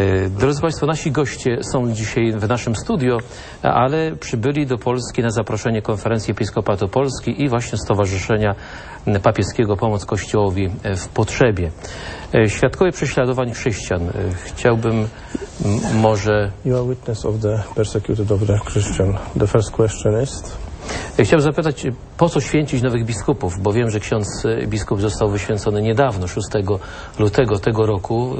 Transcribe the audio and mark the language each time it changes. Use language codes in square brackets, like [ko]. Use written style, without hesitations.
[pl] Drodzy Państwo, nasi goście są dzisiaj w naszym studio, ale przybyli do Polski na zaproszenie Konferencji Episkopatu Polski i właśnie Stowarzyszenia Papieskiego Pomoc Kościołowi w Potrzebie. Świadkowie prześladowań chrześcijan. Chciałbym może... [en] You are witness of the persecuted of the Christian. The first question is... [pl] Chciałbym zapytać, po co święcić nowych biskupów? Bo wiem, że ksiądz biskup został wyświęcony niedawno, 6 lutego tego roku.